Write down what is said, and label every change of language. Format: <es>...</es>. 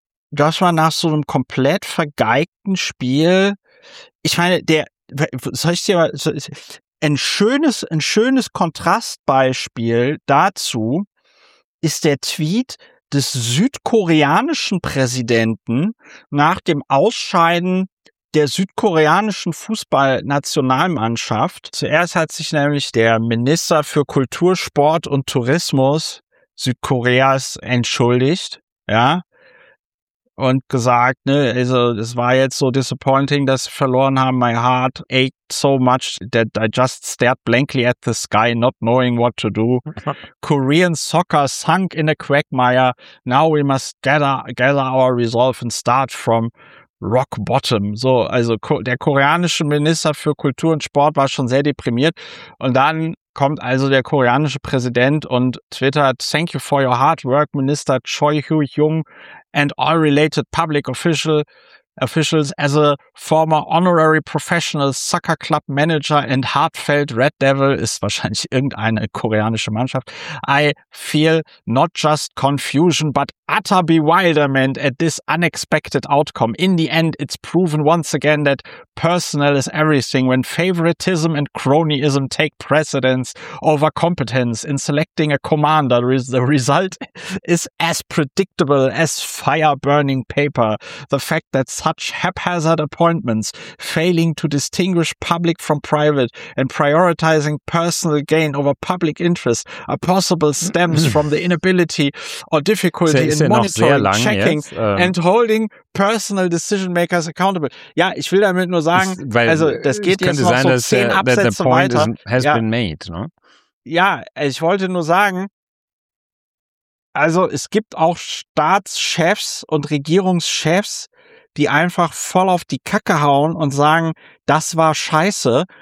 <de>dass man nach so einem komplett vergeigten Spiel, ich meine, der, soll ich dir mal, ein schönes Kontrastbeispiel dazu ist der Tweet des südkoreanischen Präsidenten nach dem Ausscheiden der südkoreanischen Fußballnationalmannschaft. Zuerst hat sich nämlich der Minister für Kultur, Sport und Tourismus Südkoreas entschuldigt, ja, und gesagt, ne, also es war jetzt so disappointing, dass sie verloren haben.</de> <en>My heart ached so much that I just stared blankly at the sky, not knowing what to do. Korean soccer sunk in a quagmire. Now we must gather our resolve and start from rock bottom.</en> <de>So, also der koreanische Minister für Kultur und Sport war schon sehr deprimiert. Und dann kommt also der koreanische Präsident und twittert,</de> <en>thank you for your hard work, Minister Choi Hyo-jung and all related public officials. As a former honorary professional soccer club manager and heartfelt Red Devil,</en> <de>ist wahrscheinlich irgendeine koreanische Mannschaft,</de> <en>I feel not just confusion, but utter bewilderment at this unexpected outcome. In the end, it's proven once again that personal is everything. When favoritism and cronyism take precedence over competence in selecting a commander, the result is as predictable as fire burning paper. The fact that such haphazard appointments, failing to distinguish public from private and prioritizing personal gain over public interest, are possible stems from the inability or difficulty in monitoring, checking and holding personal decision makers accountable.</en> <de>Ja, ich will damit nur sagen, also das geht jetzt noch sein, so 10 Absätze weiter.</de> <en>Has been made, no?</en> <de>Ja, ich wollte nur sagen, also es gibt auch Staatschefs und Regierungschefs, die einfach voll auf die Kacke hauen und sagen, das war scheiße.</de>